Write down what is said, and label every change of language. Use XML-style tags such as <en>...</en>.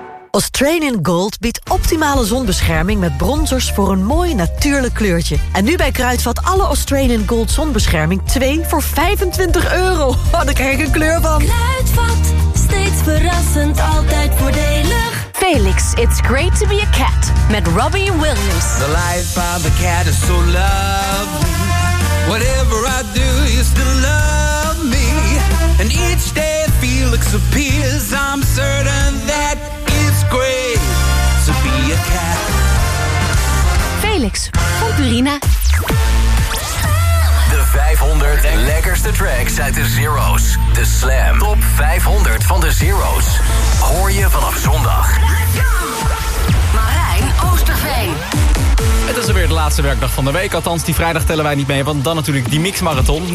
<nl>Australian Gold biedt optimale zonbescherming met bronzers voor een mooi natuurlijk kleurtje. En nu bij Kruidvat alle Australian Gold zonbescherming 2 voor 25 euro. Oh, daar krijg ik een kleur van. Kruidvat, steeds verrassend, altijd voordelig.</nl> <en>Felix, it's great to be a cat met Robbie Williams. The life of a cat is so love. Whatever I do, you still love me. And each day Felix appears, I'm certain that it's great to be a cat.</en> <nl>Felix van Purina. De 500 lekkerste tracks uit de Zero's. De Slam. Top 500 van de Zero's. Hoor je vanaf zondag. Marijn Oosterveen. Het is alweer de laatste werkdag van de week. Althans, die vrijdag tellen wij niet mee. Want dan natuurlijk die mixmarathon.</nl>